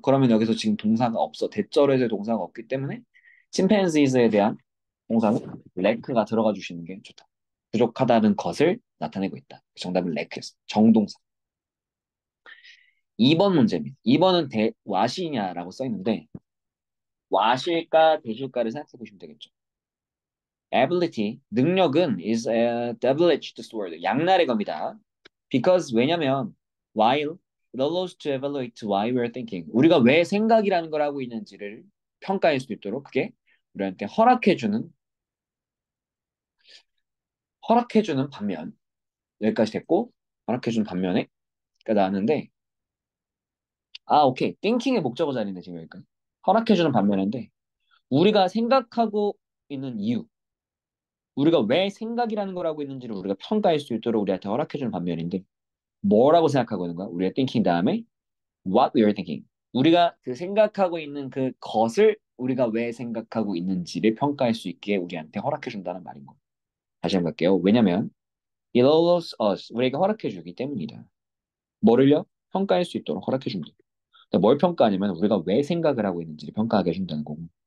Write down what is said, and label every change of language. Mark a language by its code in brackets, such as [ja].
[ko] 그러면 여기서 지금 동사가 없어. 대절에서 동사가 없기 때문에 chimpanzees에 대한 동사는 lack가 들어가 주시는 게 좋다. 부족하다는 것을 나타내고 있다. 정답은 렉이었어. 정동사. 2번 문제입니다. 2번은 대 what이냐라고 써 있는데, 과실과 대실과를 생각해보시면 되겠죠. [en] ability, 능력은 is a double-edged sword, [ko] 양날의 검이다. [en] Because, 왜냐면, while, it allows to evaluate why we're thinking. [ko] 우리가 왜 생각이라는 걸 하고 있는지를 평가할 수 있도록 그게 우리한테 허락해주는 반면, 여기까지 됐고, 허락해주는 반면에, 그 나왔는데, 아, 오케이. thinking의 목적어 자리인데, 지금 여기까지. 허락해주는 반면인데, 우리가 생각하고 있는 이유, 우리가 왜 생각이라는 걸 하고 있는지를 우리가 평가할 수 있도록 우리한테 허락해주는 반면인데, 뭐라고 생각하고 있는 거야? 우리가 thinking 다음에, [en] what we are thinking. [ko] 우리가 그 생각하고 있는 그 것을 우리가 왜 생각하고 있는지를 평가할 수 있게 우리한테 허락해준다는 말인 거야. 다시 한번 할게요. 왜냐면, [en] it allows us, [ko] 우리가 허락해주기 때문이다. 뭐를요? 평가할 수 있도록 허락해준다. 뭘 평가하냐면, 우리가 왜 생각을 하고 있는지를 평가하게 해준다는 거고.